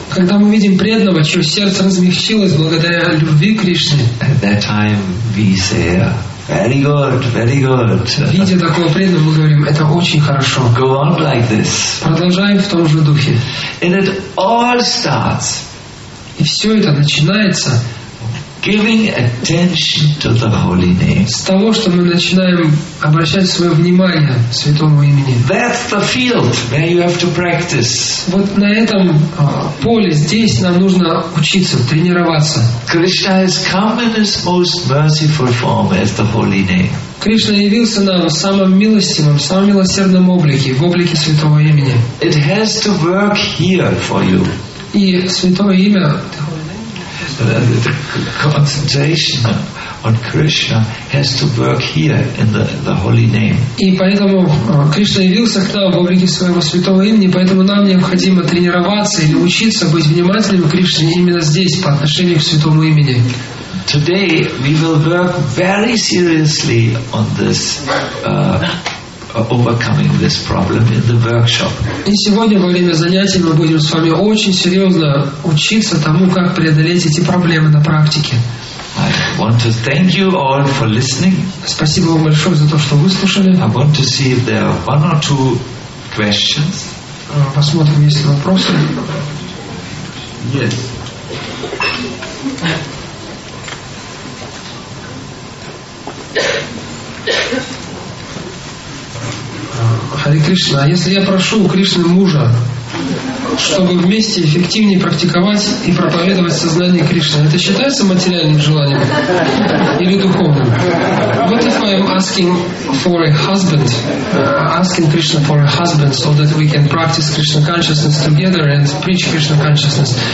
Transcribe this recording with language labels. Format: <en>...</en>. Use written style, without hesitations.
<ru>когда мы видим преданного, чье сердце размягчилось благодаря любви к Кришне,</ru> <en>at that time we say, very good, very good.</en> <ru>Видя такого преданного, мы говорим, это очень хорошо.</ru> <en>Go on like this.</en> <ru>Продолжаем в том же духе.</ru> <en>And it all starts.</en> <ru>И все это начинается.</ru> <en>Giving attention to the holy name.</en> <ru>С того, что мы начинаем обращать свое внимание святому имени.</ru> <en>That's the field where you have to practice.</en> <ru>Вот на этом поле здесь нам нужно учиться, тренироваться.</ru> <en>Krishna has come in his most merciful form as the holy name.</en> <ru>Кришна явился нам в самом милостивом, в самом милосердном облике, в облике святого имени.</ru> <en>It has to work here for you.</en> <ru>И святое имя.</ru> <en>The concentration on Krishna has to work here in the holy name.</en> <ru>И поэтому Кришна явился к нам в облике своего святого имени, поэтому нам необходимо тренироваться или учиться быть внимательным к Кришне именно здесь по отношению к святому имени.</ru> <en>Today we will work very seriously on this. Overcoming this problem in the workshop.</en> <ru>И сегодня во время занятий мы будем с вами очень серьезно учиться тому, как преодолеть эти проблемы на практике.</ru> <en>I want to thank you all for listening.</en> <ru>Спасибо вам большое за то, что вы слушали.</ru> <en>I want to see if there are one or two questions.</en> <ru>Посмотрим, есть ли вопросы.</ru> <en>Yes.</en> <ru>Харе Кришна, а если я прошу у Кришны мужа, чтобы вместе эффективнее практиковать и проповедовать сознание Кришны, это считается материальным желанием или духовным?</ru> <en>What if I am asking for a husband, asking Krishna for a husband so that we can practice Krishna consciousness together and preach Krishna consciousness?</en>